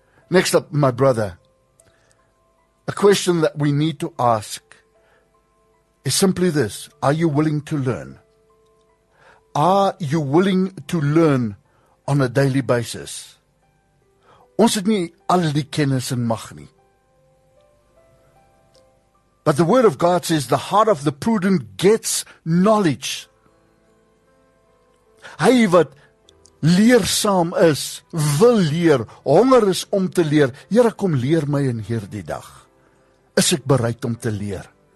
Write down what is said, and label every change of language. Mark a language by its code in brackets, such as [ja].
[en] Next up, my brother, a question that we need to ask is simply this. Are you willing to learn? Are you willing to learn on a daily basis? [af] Ons het nie al die kennis en mag nie. [en] But the word of God says the heart of the prudent gets knowledge. [af] Hy wat leersaam is, wil leer, honger is om te leer. Here, kom leer my in hierdie dag. Is ek bereid om te leer?